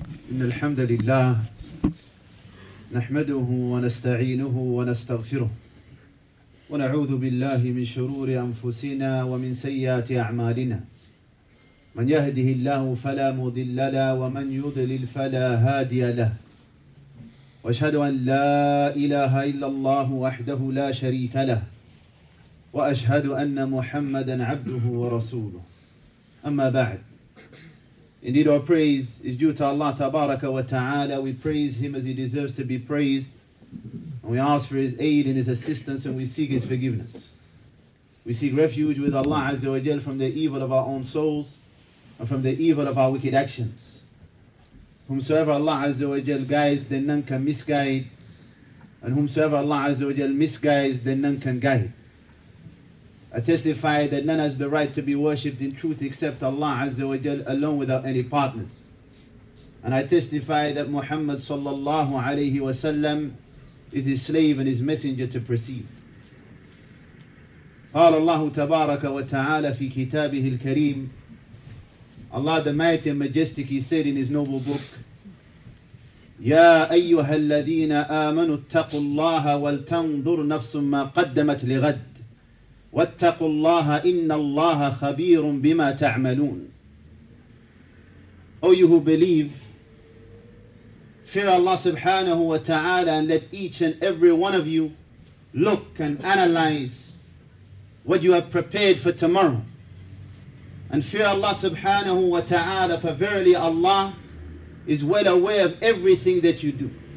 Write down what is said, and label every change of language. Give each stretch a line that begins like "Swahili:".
Arabic: إن الحمد لله نحمده ونستعينه ونستغفره ونعوذ بالله من شرور أنفسنا ومن سيئات أعمالنا من يهده الله فلا مضل له ومن يضلل فلا هادي له وأشهد أن لا إله إلا الله وحده لا شريك له وأشهد أن محمدا عبده ورسوله أما بعد.
English: Indeed, our praise is due to Allah Tabaraka wa Ta'ala. We praise Him as He deserves to be praised. And we ask for His aid and His assistance, and we seek His forgiveness. We seek refuge with Allah Azza wa Jal from the evil of our own souls and from the evil of our wicked actions. Whomsoever Allah Azza wa Jal guides, then none can misguide. And whomsoever Allah Azza wa Jal misguides, then none can guide. I testify that none has the right to be worshipped in truth except Allah Azza wa Jal alone without any partners. And I testify that Muhammad sallallahu alayhi wa sallam is his slave and his messenger to precede.
Arabic: قال الله تبارك وتعالى في كتابه الكريم.
English: Allah the Mighty and Majestic, He said in His noble book,
Arabic: يَا أَيُّهَا الَّذِينَ آمَنُوا اتَّقُوا اللَّهَ وَالْتَنْظُرْ نَفْسٌ مَّا قَدَّمَتْ لِغَدْ وَاتَّقُوا اللَّهَ إِنَّ اللَّهَ خَبِيرٌ بِمَا تَعْمَلُونَ.
English: O you who believe, fear Allah subhanahu wa ta'ala and let each and every one of you look and analyze what you have prepared for tomorrow. And fear Allah subhanahu wa ta'ala, for verily Allah is well aware of everything that you do.